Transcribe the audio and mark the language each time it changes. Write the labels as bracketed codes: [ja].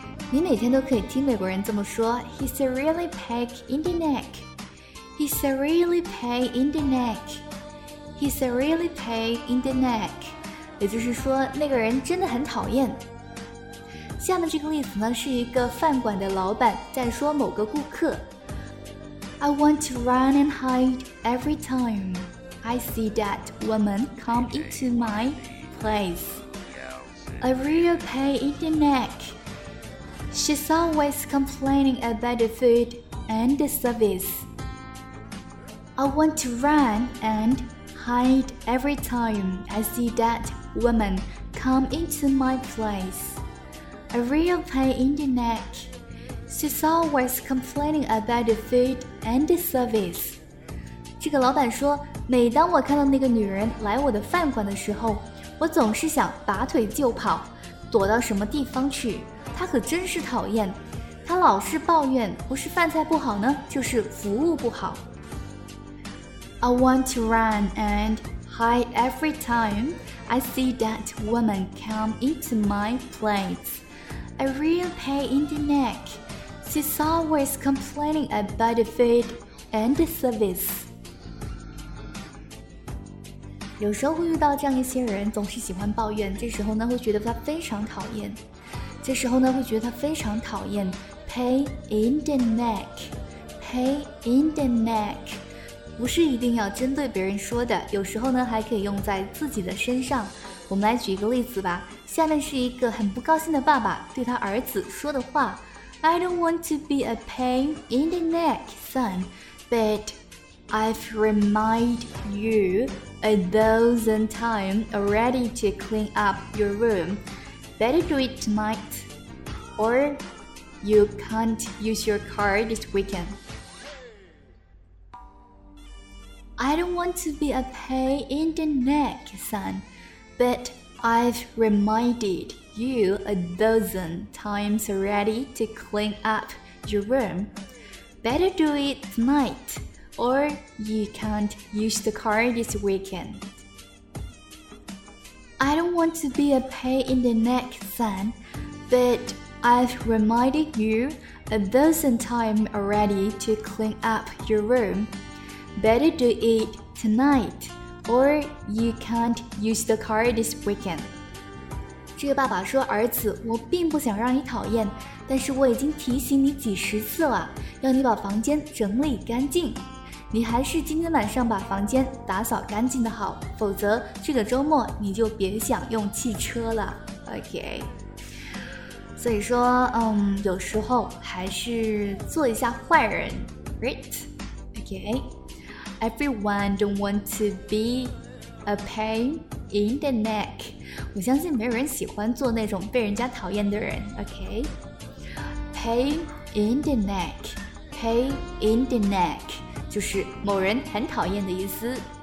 [zh] 你每天都可以听美国人这么说 , [en] He's a really pain in the neck. He's a really pain in the neck. He's a really pain in the neck. [zh] 也就是说那个人真的很讨厌。下面这个例子呢是一个饭馆的老板在说某个顾客。 [en] I want to run and hide every time I see that woman come into my place. A real pain in the neck. She's always complaining about the food and the service. I want to run and hide every time I see that woman come into my place. A real pain in the neck. She's always complaining about the food and the service. [zh] 这个老板说，每当我看到那个女人来我的饭馆的时候，我总是想拔腿就跑，躲到什么地方去。她可真是讨厌，她老是抱怨，不是饭菜不好呢，就是服务不好。 [en] I want to run and hide every time I see that woman come into my plate. A real pain in the neck. She's always complaining about the food and the service. [zh] 有时候会遇到这样一些人，总是喜欢抱怨，这时候呢会觉得他非常讨厌。这时候呢会觉得他非常讨厌。 [en] Pain in the neck. Pain in the neck. [zh] 不是一定要针对别人说的，有时候呢还可以用在自己的身上。我们来举一个例子吧。下面是一个很不高兴的爸爸对他儿子说的话。 [en] I don't want to be a pain in the neck, son, but I've reminded you 1,000 times already to clean up your room. Better do it tonight, or you can't use your car this weekend. I don't want to be a pain in the neck, son, but I've reminded you 1,000 times already to clean up your room. Better do it tonight, or you can't use the car this weekend. I don't want to be a pain in the neck, son, but I've reminded you 1,000 times already to clean up your room. Better do it tonight. Or you can't use the car this weekend. [zh] 这个爸爸说，儿子，我并不想让你讨厌，但是我已经提醒你几十次了，要你把房间整理干净。你还是今天晚上把房间打扫干净的好，否则这个周末你就别想用汽车了。 OK。 所以说，有时候还是做一下坏人 ，right? OK. [en] Everyone don't want to be a pain in the neck. [zh] 我相信没有人喜欢做那种被人家讨厌的人 ,OK? [en] Pain in the neck. Pain in the neck. [zh] 就是某人很讨厌的意思。